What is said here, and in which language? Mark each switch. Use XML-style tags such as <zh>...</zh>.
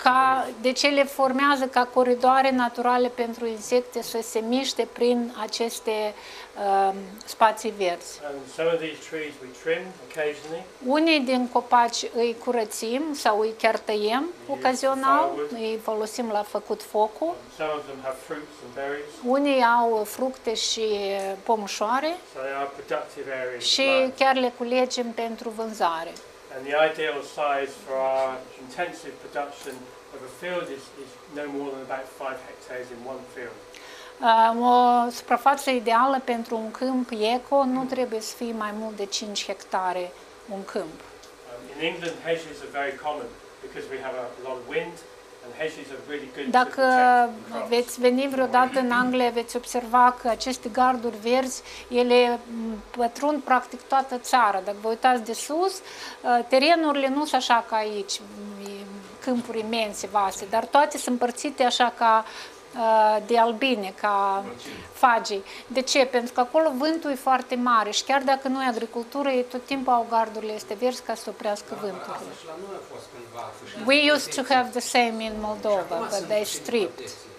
<ro>Ca de ce le formează ca coridoare naturale pentru insecte să se miște prin aceste spații verzi.</ro> <en>And some of these trees we trim occasionally.</en> <ro>Unii din copaci îi curățim sau îi chiar tăiem ocazional, îi folosim la făcut focul.</ro> <en>Some of them have fruits and berries.</en> <ro>Unii au fructe și pomușoare.</ro> <en>So they are productive areas.</en> <ro>Și chiar le culegem pentru vânzare.</ro> <en>And the ideal size for our intensive production of a field is no more than about 5 hectares in one field.</en> <ro>O suprafață ideală pentru un câmp eco nu trebuie să fie mai mult de 5 hectare un câmp.</ro> <en>In England, hedges are very common because we have a lot of wind and hedges are really good.</en> <ro>Dacă veți veni vreodată în Anglia, veți observa că aceste garduri verzi, ele pătrund practic toată țara. Dacă vă uitați de sus, terenurile nu sunt așa ca aici, câmpuri imense, vaste, dar toate sunt împărțite așa ca de albine, ca fagii. De ce? Pentru că acolo vântul e foarte mare și chiar dacă nu e agricultură, ei tot timpul au gardurile este verzi ca să oprească vântul. Asta și la noi a fost cândva.</ro> <en>We used to have the same in Moldova, but they stripped.</en>